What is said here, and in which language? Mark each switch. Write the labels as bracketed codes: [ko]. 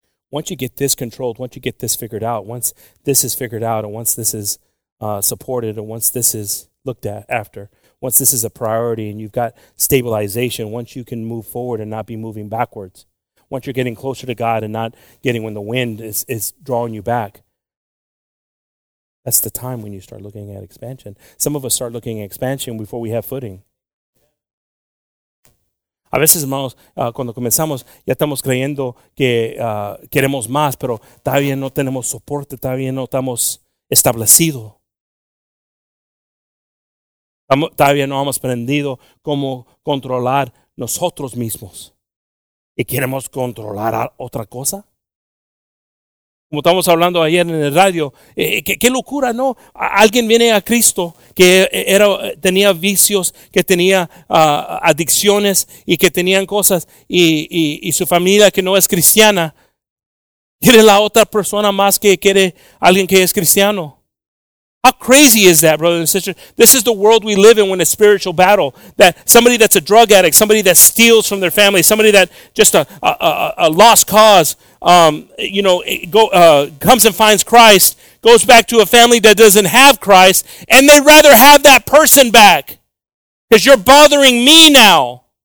[en] Once you get this controlled, once you get this figured out, once this is figured out, and once this is supported, and once this is looked at after, once this is a priority and you've got stabilization, once you can move forward and not be moving backwards, once you're getting closer to God and not getting when the wind is drawing you back, that's the time when you start looking at expansion. Some of us start looking at expansion before we have footing. [es] A veces, hermanos, cuando comenzamos, ya estamos creyendo que queremos más, pero todavía no tenemos soporte, todavía no estamos establecido. Todavía no hemos aprendido cómo controlar nosotros mismos. ¿Y queremos controlar otra cosa? Como estábamos hablando ayer en el radio, qué locura, ¿no? Alguien viene a Cristo que era, tenía vicios, que tenía adicciones y que tenían cosas y su familia que no es cristiana, quiere la otra persona más que quiere alguien que es cristiano. [en] How crazy is that, brothers and sisters? This is the world we live in when it's a spiritual battle. That somebody that's a drug addict, somebody that steals from their family, somebody that just a lost cause, comes and finds Christ, goes back to a family that doesn't have Christ, and they'd rather have that person back because you're bothering me now.